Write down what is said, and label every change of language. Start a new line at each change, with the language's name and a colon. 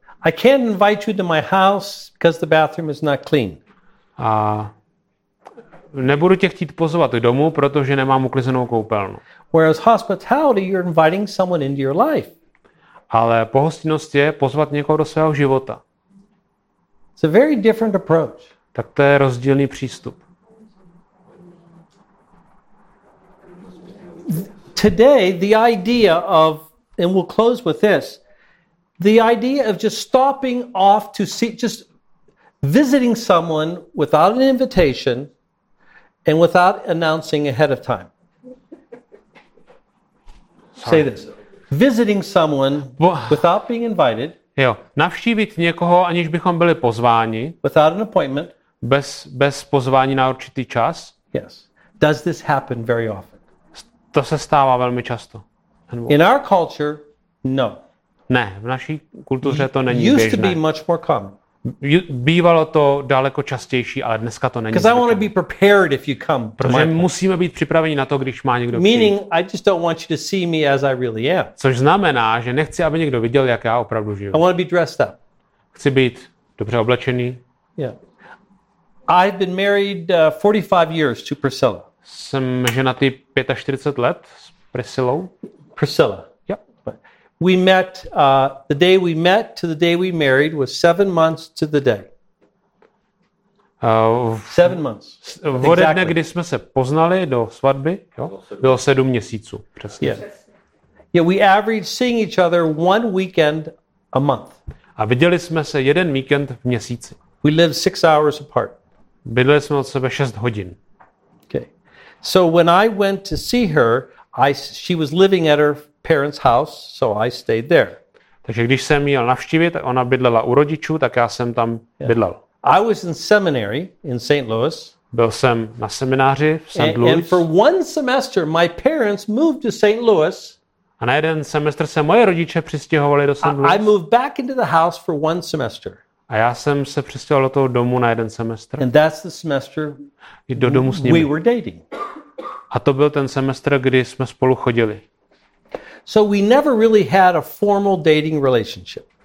English: I can't invite you to my house because the bathroom is not clean.
Czech: A nebudu tě chtít pozvat domů, protože nemám uklizenou koupelnu.
English: Whereas hospitality, you're inviting someone into your life.
Czech: Ale pohostinnost je pozvat někoho do svého života.
English: It's a very different approach.
Czech: Tak to je rozdílný přístup.
English: Today the idea of, and we'll close with this, the idea of just stopping off to see, just visiting someone without an invitation and without announcing ahead of time. Say this. Visiting someone without being invited.
Czech: Jo, navštívit někoho, aniž bychom byli pozváni.
English: Without an appointment.
Czech: Bez pozvání na určitý čas.
English: Yes. Does this happen very often?
Czech: To se stává velmi často.
English: In our culture, no.
Czech: Ne, v naší kultuře to není
English: used
Czech: běžné.
English: To be much more common.
Czech: Bývalo to daleko častější, ale dneska to není.
English: Because I want to be prepared if you come.
Czech: Protože musíme být připraveni na to, když má někdo přijít.
English: Meaning, I just don't want you to see me as I really am.
Czech: Což znamená, že nechci, aby někdo viděl, jak já opravdu žiju.
English: I want to be dressed up.
Czech: Chci být dobře oblečený.
English: Yeah. I've been married 45 years to Priscilla. Jsem ženatý 45 let s Priscilou. Priscilla. Yep. We met the day we met to the day we married was 7 months to the day. 7 months.
Czech: Od dne, kdy jsme se poznali do svatby, jo? Bylo 7 měsíců, přesně.
English: Yeah, we averaged seeing each other one weekend a month.
Czech: A viděli jsme se jeden víkend v měsíci.
English: We lived 6 hours apart.
Czech: Bydleli jsme od sebe 6 hodin.
English: So when I went to see her, she was living at her parents' house, so I stayed there.
Czech: Takže když jsem jel navštívit, ona bydlela u rodičů, tak já jsem tam bydlel.
English: I was in seminary in St. Louis.
Czech: Byl jsem na semináři v St. Louis.
English: And for one semester my parents moved to St. Louis.
Czech: A na jeden semestr se moje rodiče přistěhovali do St. Louis.
English: I moved back into the house for one semester.
Czech: A já jsem se přestěhoval do toho domu na jeden semestr.
English: And that's the semester
Czech: I do domu s nimi.
English: We were dating.
Czech: A to byl ten semestr, kdy jsme spolu chodili.
English: So we never really had a formal dating relationship.